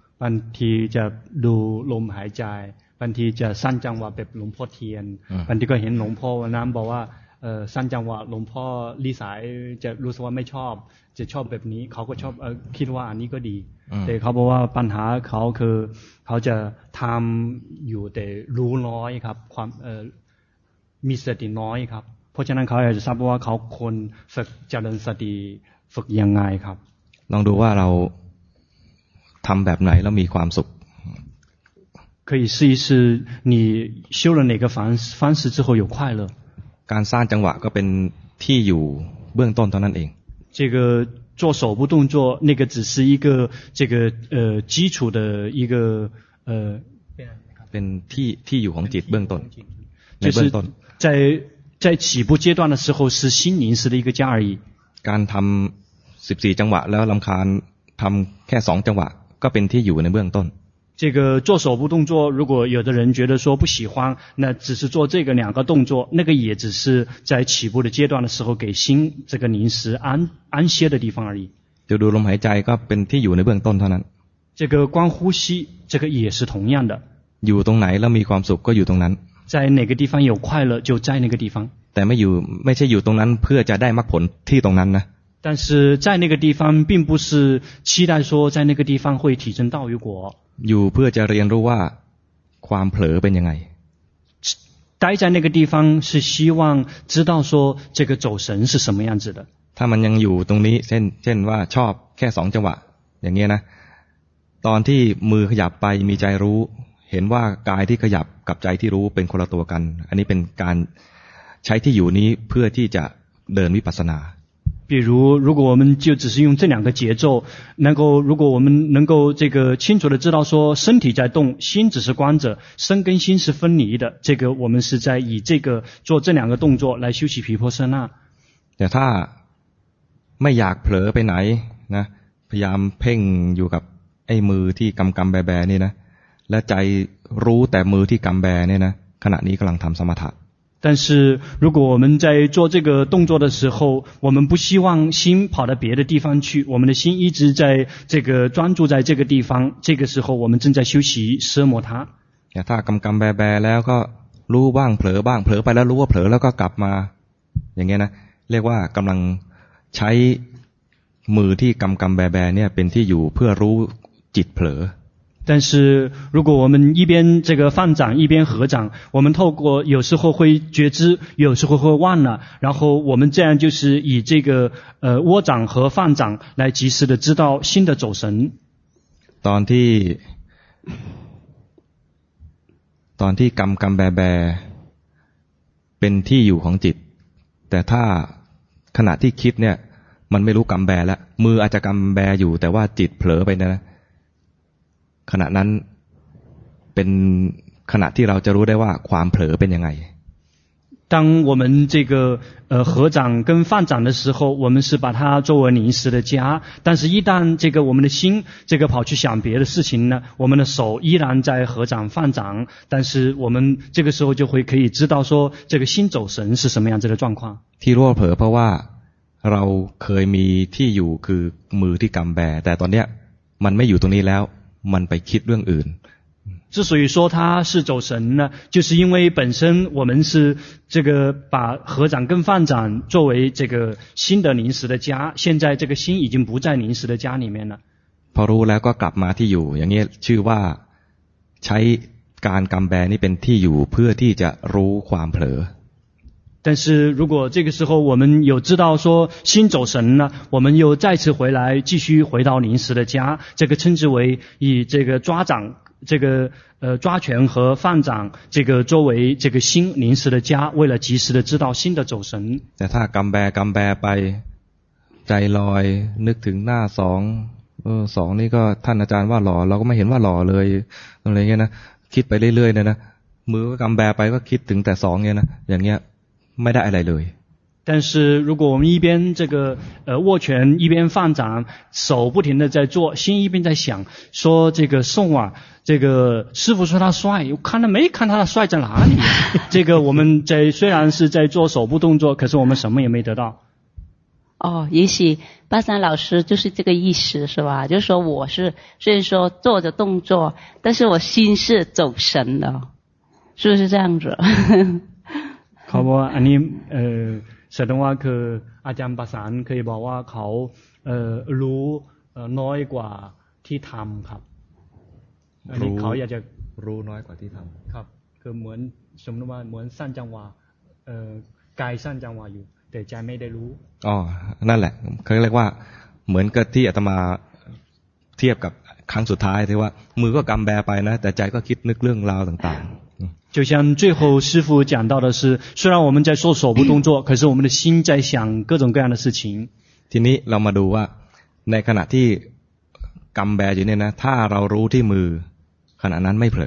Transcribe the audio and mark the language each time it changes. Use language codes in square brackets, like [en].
[th] บางทีจะดูลมหายใจบางทีจะสั้นจังหวะแบบหลวงพ่อเทียนบางทีก็เห็นหลวงพ่อวันนั้นบอกว่าสั้นจังหวะหลวงพ่อลีสายจะรู้สึกว่าไม่ชอบจะชอบแบบนี้เขาก็ชอบคิดว่าอันนี้ก็ดีแต่เขาบอกว่าปัญหาเขาคือเขาจะทำอยู่แต่รู้น้อยครับความมีสติน้อยครับเพราะฉะนั้นเขาอยากจะทราบว่าเขาควรฝึกเจริญสติฝึกยังไงครับ ลองดูว่าเราทำแบบไหนแล้วมีความสุข [zh] 可以试一试你修了哪个方式之后有快乐 [th] การสร้างจังหวะก็เป็นที่อยู่เบื้องต้นเท่านั้นเอง [zh] 这个做手部动作那个只是一个这个基础的一个 [th] เป็นที่อยู่ของจิตเบื้องต้น ในเบื้องต้น [zh] 在起步阶段的时候是心灵式的一个家而已 [th] การทำ14จังหวะแล้วรำคาญทำแค่2จังหวะก็เป็นที่อยู่ในเบื้องต้น [zh] 这个做手部动作如果有的人觉得说不喜欢那只是做这个两个动作那个也只是在起步的阶段的时候给心这个临时安歇的地方而已就读 [th] ลมหายใจก็เป็นที่อยู่ในเบื้องต้นเท่านั้น [zh] 这个观呼吸这个也是同样的 [th] อยู่ตรงไหนแล้วมีความสุขก็อยู่ตรงนั้น [zh] 在哪个地方有快乐就在那个地方 [th] แต่ไม่ใช่อยู่ตรงนั้นเพื่อจะได้มรรคผลที่ตรงนั้นนะ [zh] 但是在那个地方并不是期待说在那个地方会提升道与果 [th] อยู่เพื่อจะเรียนรู้ว่าความเผลอเป็นยังไง [zh] 待在那个地方是希望知道说这个走神是什么样子的 [th] ถ้ามันยังอยู่ตรงนี้เช่นว่าชอบแค่2จังหวะอย่างเงี้ยนะตอนที่มือขยับไปมีใจรู้เห็นว่ากายที่ขยับกับใจที่รู้เป็นคนละตัวกันอันนี้เป็นการใช้ที่อยู่นี้เพื่อที่จะเดินวิปัสสนา [zh] 比如如果我们就只是用这两个节奏能够如果我们能够这个清楚地知道说身体在动心只是观者身跟心是分离的这个我们是在以这个做这两个动作来修习毗婆舍那 [th] แต่ถ้าไม่อยากเผลอไปไหนนะพยายามเพ่งอยู่กับไอ้มือที่กำแบแบนี่นะและใจรู้แต่มือที่กำแบนี่นะขณะนี้กำลังทำสมถะ [zh] 但是如果我们在做这个动作的时候我们不希望心跑到别的地方去我们的心一直在这个专注在这个地方这个时候我们正在休息奢摩他 [th] ถ้ากำกำแบแบแล้วก็รู้บ้างเผลอบ้างเผลอไปแล้วรู้ว่าเผลอแล้วก็กลับมาอย่างเงี้ยนะเรียกว่ากำลังใช้มือที่กำกำแบแบเนี่ยเป็นที่อยู่เพื่อรู้จิตเผลอ [zh] 但是如果我们一边这个放掌一边合掌我们透过有时候会觉知有时候会忘了然后我们这样就是以这个握掌和放掌来及时的知道心的走神 [th] ตอนที่กำกำแบแบเป็นที่อยู่ของจิตแต่ถ้าขณะที่คิดเนี่ยมันไม่รู้กำแบแล้วมืออาจจะกำแบอยู่แต่ว่าจิตเผลอไปนะขณะนั้นเป็นขณะที่เราจะรู้ได้ว่าความเผลอเป็นยังไง [zh] 当我们这个合掌跟放掌的时候我们是把它作为临时的家但是一旦这个我们的心这个跑去想别的事情呢我们的手依然在合掌放掌但是我们这个时候就会可以知道说这个心走神是什么样子的状况 [th] ที่รู้เผลอเพราะว่าเราเคยมีที่อยู่คือมือที่กำแบแต่ตอนนี้มันไม่อยู่ตรงนี้แล้วมันไปคิดเรื่องอื่น [zh] 之所以说他是走神呢就是因为本身我们是这个把合掌跟放掌作为这个心的临时的家现在这个心已经不在临时的家里面了 [th] พอรู้แล้วก็กลับมาที่อยู่อย่างนี้ชื่อว่าใช้การกำแบนี่เป็นที่อยู่เพื่อที่จะรู้ความเผลอ [zh] 但是如果这个时候我们有知道说心走神了我们又再次回来继续回到临时的家这个称之为以这个抓掌这个抓拳和放掌这个作为这个心临时的家为了及时的知道心的走神 [th] ถ้ากำแบกำแบไปใจลอยนึกถึงหน้าสองสองนี่ก็ท่านอาจารย์ว่าหล่อเราก็ไม่เห็นว่าหล่อเลยอะไรเงี้ยนะคิดไปเรื่อยๆเนี่ยนะมือก็กำแบไปก็คิดถึงแต่สองเนี่ยนะอย่างเงี้ยไม่ได้อะไรเลย [zh] 但是如果我们一边这个握拳一边放掌手不停的在做心一边在想说这个宋啊这个师父说他帅我看他没看他的帅在哪里这个我们在虽然是在做手部动作可是我们什么也没得到哦，也许巴山老师就是这个意思是吧，就是说我是虽然说做着动作，但是我心是走神的，是不是这样子？好不好，你 [th] สดงว่าคืออาจารย์ประสานเคยบอกว่าเขารู้น้อยกว่าที่ทำครับอันนี้เขาอยากจะ รู้น้อยกว่าที่ทำ ครับคือเหมือนสมมติว่าเหมือนสั้นจังหวะกายสั้นจังหวะอยู่แต่ใจไม่ได้รู้อ๋อนั่นแหละเขาเรียกว่าเหมือนกับที่อาตมาเทียบกับครั้งสุดท้ายที่ว่ามือก็กำแบไปนะแต่ใจก็คิดนึกเรื่องราวต่างๆ [zh] 就像最后师父讲到的是，虽然我们在做手部动作，可是我们的心在想各种各样的事情。 [th] ทีนี้เรามาดูว่าในขณะที่กำแบอยู่เนี่ยนะถ้าเรารู้ที่มือขณะนั้นไม่เผล